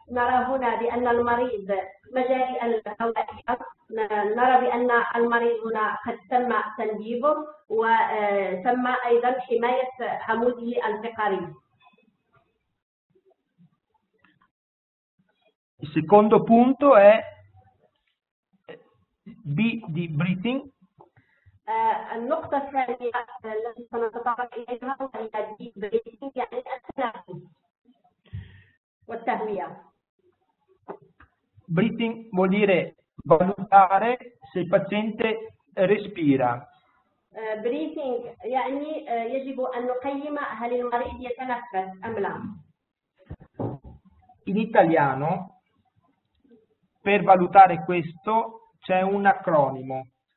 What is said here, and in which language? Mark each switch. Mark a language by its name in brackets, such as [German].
[Arabic] نرى هنا بأن المريض مجاري الهوائية. نرى بأن المريض هنا قد تم تنبيبه وتم أيضا حماية عموده الفقري. [Italian] Il secondo punto è B di breathing. [Arabic] النقطة الثانية التي سنتطرق إليها هي [Italian] B di breathing, [Arabic] يعني التنفس والتهوية. [Italian] Breathing vuol dire valutare se il paziente respira. [Arabic] Breathing يعني يجب أن نقيم هل المريض يتنفس أم لا. [Italian] In italiano per valutare questo c'è un acronimo.